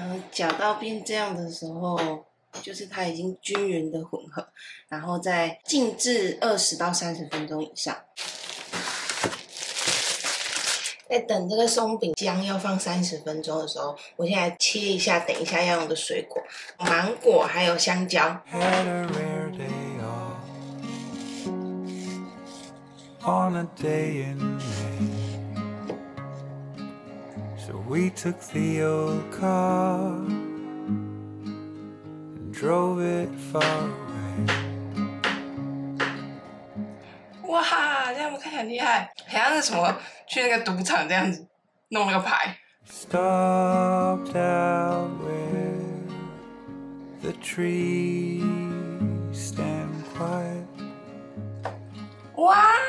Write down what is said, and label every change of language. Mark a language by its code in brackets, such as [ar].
[zh] 搅到变这样的时候，就是它已经均匀的混合，然后再静置20到30分钟以上。在等这个松饼浆要放30分钟的时候，我现在切一下，等一下要用的水果，芒果还有香蕉。 [en] On a day in May, so we took the old car and drove it far away. [zh] 哇，这样我看起来很厉害，好像是什么去那个赌场这样子弄了个牌。 [en] Stopped out where the trees stand quiet. 哇。